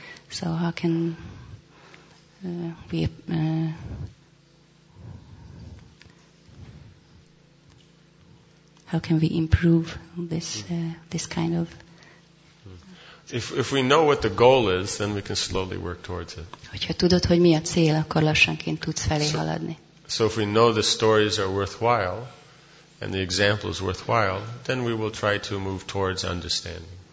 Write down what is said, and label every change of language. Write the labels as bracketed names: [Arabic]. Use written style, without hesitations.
[English] So how can we... How can we improve this kind of If we know what the goal is, then we can slowly work towards it. [Hungarian] Hogyha tudod, hogy mi a cél, akkor lassanként tudsz felé haladni. [English] So if we know the stories are worthwhile and the example is worthwhile, then we will try to move towards understanding.